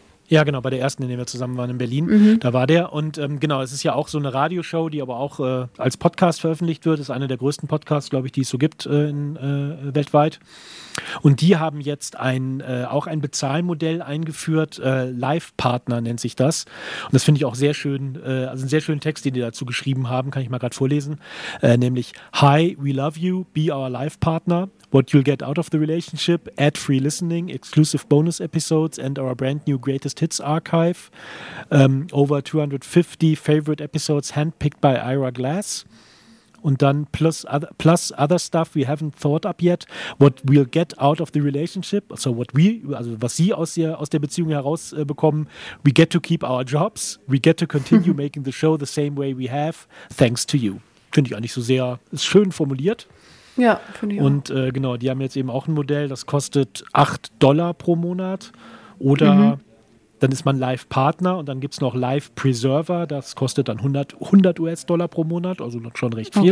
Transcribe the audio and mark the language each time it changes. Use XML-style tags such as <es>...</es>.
<de>Ja, genau, bei der ersten, in der wir zusammen waren in Berlin, da war der. Und genau, es ist ja auch so eine Radioshow, die aber auch als Podcast veröffentlicht wird. Das ist einer der größten Podcasts, glaube ich, die es so gibt weltweit. Und die haben jetzt auch ein Bezahlmodell eingeführt, Live-Partner nennt sich das. Und das finde ich auch sehr schön, also einen sehr schönen Text, den die dazu geschrieben haben, kann ich mal gerade vorlesen. Nämlich,</de> <en>hi, we love you, be our Live-Partner. What you'll get out of the relationship, ad-free listening, exclusive bonus episodes and our brand new greatest hits archive, over 250 favorite episodes handpicked by Ira Glass.</en> <de>Und dann</de> <en>plus other stuff we haven't thought up yet, what we'll get out of the relationship,</en> <de>was sie aus der Beziehung heraus bekommen,</de> <en>we get to keep our jobs, we get to continue making the show the same way we have, thanks to you.</en> <de>Finde ich eigentlich so sehr, ist schön formuliert. Ja, finde ich. Und genau, die haben jetzt eben auch ein Modell, das kostet $8 pro Monat oder dann ist man Live-Partner und dann gibt es noch Live-Preserver, das kostet dann 100 US-Dollar pro Monat, also schon recht viel.</de>